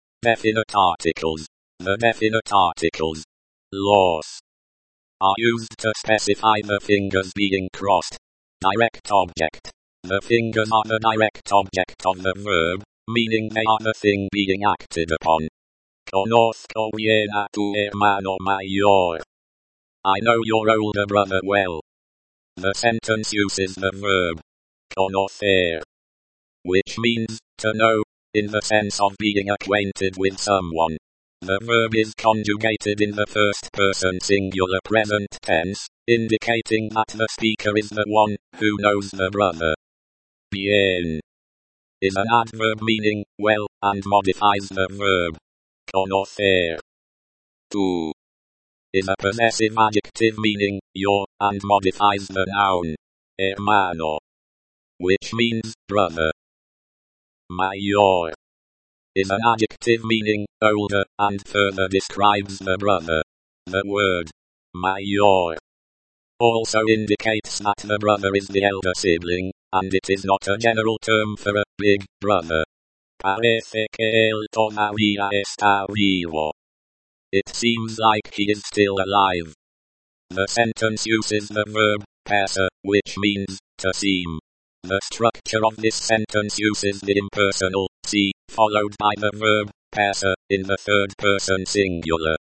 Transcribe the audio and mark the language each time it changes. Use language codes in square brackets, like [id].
[en] Definite articles. The definite articles. Los are used to specify the fingers being crossed. Direct object. The fingers are the direct object of the verb, meaning they are the thing being acted upon. [es] Conozco bien a tu hermano mayor. [en] I know your older brother well. The sentence uses the verb conocer, which means to know, in the sense of being acquainted with someone. The verb is conjugated in the first person singular present tense, indicating that the speaker is the one who knows the brother. Bien is an adverb meaning well, and modifies the verb conocer. Tú is a possessive adjective meaning your, and modifies the noun hermano, which means brother. Mayor is an adjective meaning older, and further describes the brother. The word mayor also indicates that the brother is the elder sibling, and it is not a general term for a big brother. [es] Parece que él todavía está vivo. [en] It seems like he is still alive. The sentence uses the verb parecer, which means to seem. The structure of this sentence uses the impersonal si, followed by the verb parecer in the third person singular.